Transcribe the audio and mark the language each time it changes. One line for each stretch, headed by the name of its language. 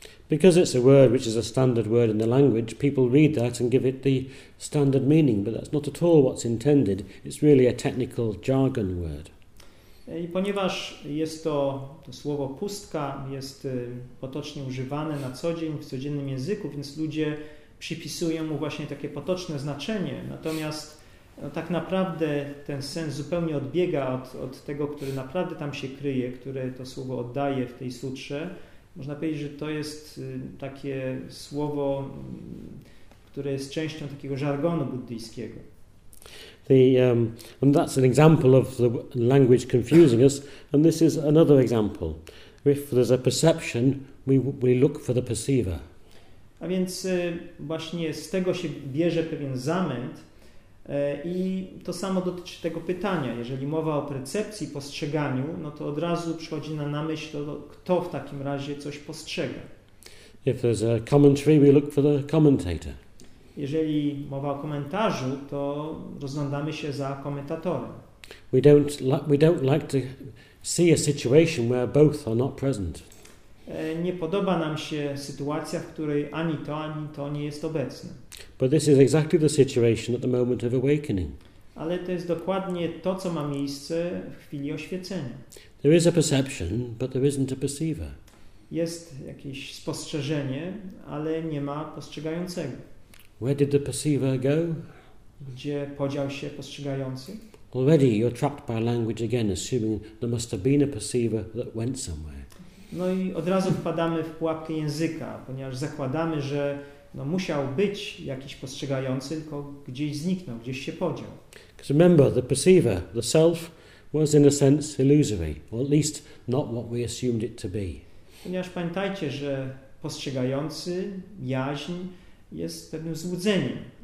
English: Because it's a word which is a standard word in the language, people read that and give it the standard meaning, but that's not at all what's intended. It's really a technical jargon word.
Polish: I ponieważ jest to słowo pustka, jest potocznie używane na co dzień, w codziennym języku, więc ludzie przypisują mu właśnie takie potoczne znaczenie. Natomiast no, tak naprawdę ten sens zupełnie odbiega od tego, który naprawdę tam się kryje, które to słowo oddaje w tej sutrze. Można powiedzieć, że to jest takie słowo, które jest częścią takiego żargonu buddyjskiego.
English: And that's an example of the language confusing us, and this is another example. If there's a perception, we look for the perceiver.
Polish: A więc właśnie z tego się bierze pewien zamęt i to samo dotyczy tego pytania. Jeżeli mowa o percepcji, postrzeganiu, no to od razu przychodzi nam na myśl, to kto w takim razie coś postrzega.
English: If there's a commentary, we look for the commentator.
Polish: Jeżeli mowa o komentarzu, to rozglądamy się za komentatorem.
English: We don't like to see a situation where both are not present.
Polish: Nie podoba nam się sytuacja, w której ani to nie jest obecne.
English: But this is exactly the situation at the moment of awakening.
Polish: Ale to jest dokładnie to, co ma miejsce w chwili oświecenia.
English: There is a perception, but there isn't a perceiver.
Polish: Jest jakieś spostrzeżenie, ale nie ma postrzegającego.
English: Where did the perceiver go?
Polish: Gdzie podział się postrzegający?
English: Already you're trapped by language again, assuming there must have been a perceiver that went somewhere.
Polish: No i od razu wpadamy w pułapkę języka, ponieważ zakładamy, że no, musiał być jakiś postrzegający, tylko gdzieś zniknął, gdzieś się podział.
English: Because remember, the perceiver, the self, was in a sense illusory, or at least not what we assumed it to be.
Polish: Ponieważ pamiętajcie, że postrzegający, jaźń, jest pewnym złudzeniem.